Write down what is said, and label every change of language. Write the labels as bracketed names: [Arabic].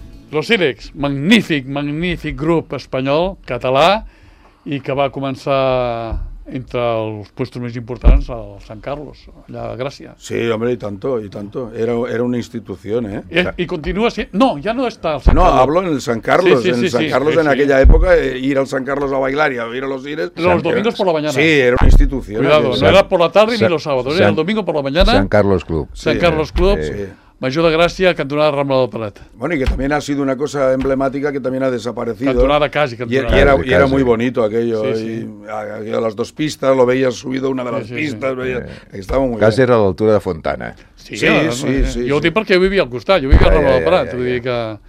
[Catalan] Los Ilex, magnífic, magnífic grup espanyol, català, i que va començar entre els puestos més importants al San Carlos, allà a Gràcia. [Spanish] Sí, hombre, y tanto. [Catalan] Era una institució, [Spanish] ¿eh? [Catalan] I continua sent... No, ja no està al San Carlos. [Spanish] No, hablo en el San Carlos. Sí, sí, en San Carlos, sí. En aquella època, ir al San Carlos a bailar i a ir a Los Ilex... Los domingos por la mañana. [Catalan] Sí, era una institució. [Spanish] Cuidado, no era por la tarde ni los sábados, era el domingo por la mañana. San Carlos Club. San Carlos Club. Sí. [Catalan] Major de Gràcia, cantonada Rambla del Prat. [Spanish] Bueno, y que también ha sido una cosa emblemática que también ha desaparecido. [Catalan] Cantonada casi, cantonada. [Spanish] Y era muy bonito aquello. Sí, sí. Y a las dos pistas, lo veías subido una de las pistas. Sí. Estaba muy casi bien. Era a la altura de Fontana. Sí. Yo lo digo porque yo vivía [Catalan] al costat, [Spanish] yo vivía a Rambla del Prat. Que...